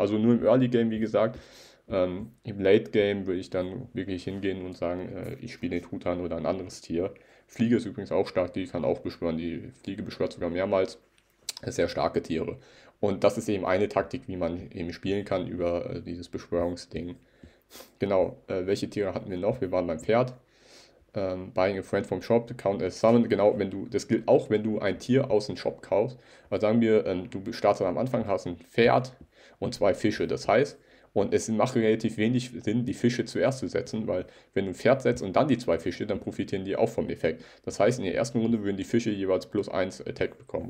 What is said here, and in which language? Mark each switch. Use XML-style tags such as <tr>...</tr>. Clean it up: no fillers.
<de>Also nur im Early Game, wie gesagt. Im Late Game würde ich dann wirklich hingehen und sagen, ich spiele den Truthahn oder ein anderes Tier. Fliege ist übrigens auch stark, die kann auch beschwören. Die Fliege beschwört sogar mehrmals. Sehr starke Tiere. Und das ist eben eine Taktik, wie man eben spielen kann über dieses Beschwörungsding. Genau, welche Tiere hatten wir noch? Wir waren beim Pferd.</de> <en>Buying a friend from shop, count as summon.</en> <de>Genau, wenn du, das gilt auch, wenn du ein Tier aus dem Shop kaufst. Also sagen wir, du startest am Anfang, hast ein Pferd und 2 Fische. Das heißt, Und es macht relativ wenig Sinn, die Fische zuerst zu setzen, weil wenn du ein Pferd setzt und dann die zwei Fische, dann profitieren die auch vom Effekt. Das heißt, in der ersten Runde würden die Fische jeweils plus 1 Attack bekommen.</de>